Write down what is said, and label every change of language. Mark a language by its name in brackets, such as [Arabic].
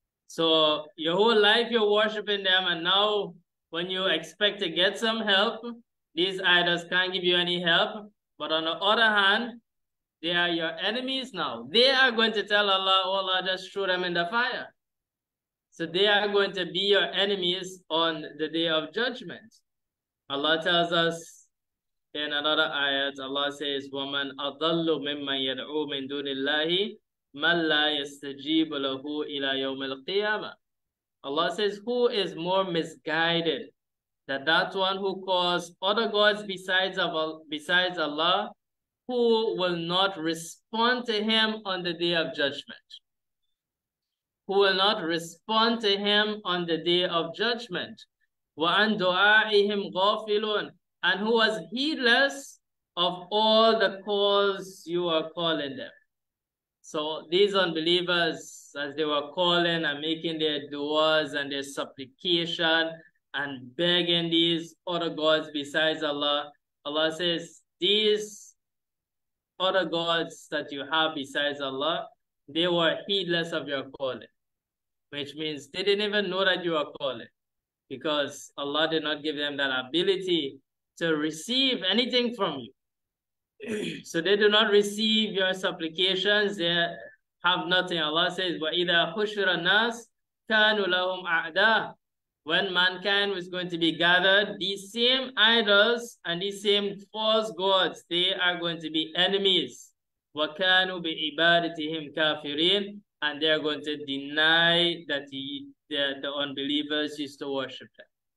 [English] So your whole life you're worshiping them, and now when you expect to get some help, these idols can't give you any help. But on the other hand, they are your enemies now. They are going to tell Allah, oh Allah, just throw them in the fire. So they are going to be your enemies on the day of judgment. Allah tells us in another ayat, Allah says, [Arabic] وَمَنْ أَضَلُّ مِمَّنْ يَدْعُو مِنْ دُونِ اللَّهِ مَنْ لَا يَسْتَجِيبُ لَهُ إِلَى يَوْمِ الْقِيَامَةِ. [English] Allah says, who is more misguided than that one who calls other gods besides Allah, who will not respond to him on the day of judgment? Who will not respond to him on the day of judgment? [Arabic] وَعَنْ دُعَائِهِمْ غَافِلُونَ. [English] And who was heedless of all the calls you are calling them. So these unbelievers, as they were calling and making their du'as and their supplication and begging these other gods besides Allah, Allah says, these other gods that you have besides Allah, they were heedless of your calling, which means they didn't even know that you were calling, because Allah did not give them that ability to receive anything from you. So they do not receive your supplications. They have nothing. Allah says, [Arabic] وَإِذَا حُشِرَ النَّاسُ كَانُوا لَهُمْ أَعْدَاءً. [English] When mankind was going to be gathered, these same idols and these same false gods, they are going to be enemies. [Arabic] وَكَانُوا بِعِبَادَتِهِمْ كَافِرِينَ. [English] And they are going to deny that the unbelievers used to worship them.